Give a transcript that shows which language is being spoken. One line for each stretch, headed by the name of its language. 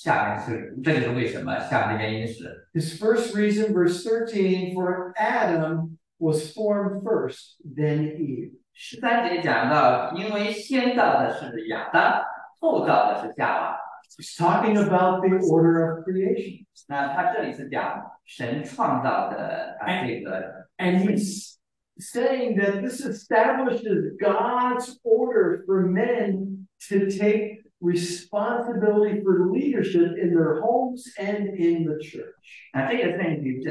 Chinese: 我不允许女人讲道,也不允许她辖管男人,下面是,这就是为什么,下面的原因是,
English: his first reason, verse 13, for Adam was formed first, then Eve.
Chinese: 十三节讲到,因为先造的是亚当,后造的是夏娃。
English: He's talking about the order of creation.
Chinese: 那他这里是讲神创造的这个。
English: And he's saying that this establishes God's order for men to take responsibility for leadership in their homes and in the church.